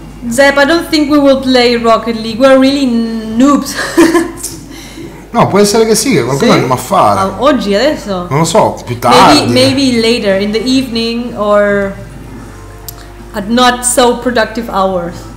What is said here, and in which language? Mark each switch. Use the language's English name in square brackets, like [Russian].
[English] Zep, I don't think we will play Rocket League. We're really noobs. [Italian] No, può essere che sì, che qualcuno sì. Ma fare. Oggi, adesso. Non lo so, più tardi. [English] Maybe later, in the evening or at not so productive hours.